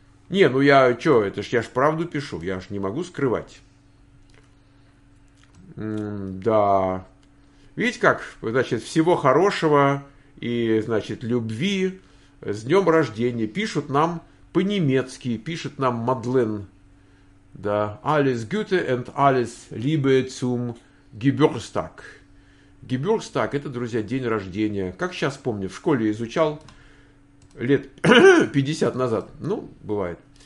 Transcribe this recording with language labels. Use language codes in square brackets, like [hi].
[ru] Не, ну я что, это ж я ж правду пишу, я ж не могу скрывать. Да, видите как, значит, всего хорошего и, значит, любви, с днем рождения, пишут нам по-немецки, пишет нам Мадлен. [de] Да, alles Gute und alles Liebe zum Geburtstag. [ru] Geburtstag – это, друзья, день рождения. Как сейчас помню, в школе изучал лет 50 назад. Ну, бывает.